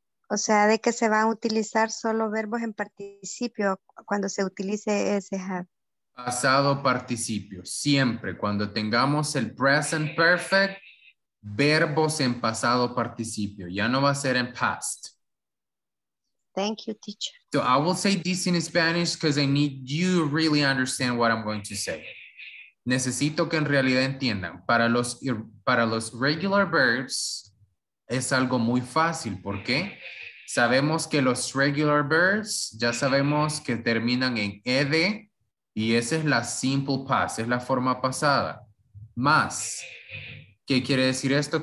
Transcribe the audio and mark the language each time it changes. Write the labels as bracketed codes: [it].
[es] O sea, de que se van a utilizar solo verbos en participio cuando se utilice ese have. Pasado participio, siempre cuando tengamos el present perfect, verbos en pasado participio, ya no va a ser en past. [en] Thank you, teacher. So I will say this in Spanish because I need you really understand what I'm going to say. [es] Necesito que en realidad entiendan, para los regular verbs es algo muy fácil, ¿por qué? Sabemos que los regular verbs ya sabemos que terminan en ed. Y esa es la simple past, es la forma pasada. Más, ¿qué quiere decir esto?